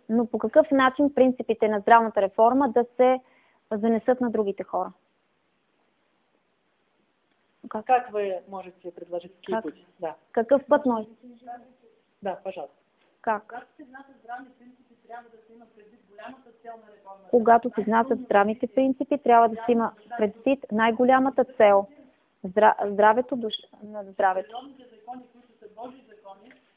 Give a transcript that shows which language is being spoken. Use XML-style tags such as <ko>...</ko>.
<bg>Но по какъв начин принципите на здравната реформа да се занесат на другите хора.</bg> <ru>Как вы можете предложить какой путь?</ru> <bg>Да. Какъв път мой?</bg> <ru>Да, пожалуйста.</ru> <bg>Как се внасят здравни принципи, трябва да се има предвид голямата цел на реформата? Когато се внасят здравните принципи, трябва да се има предвид най-голямата цел. Здравето, душа на здравето. Природните закони, които са Божи закони,</bg>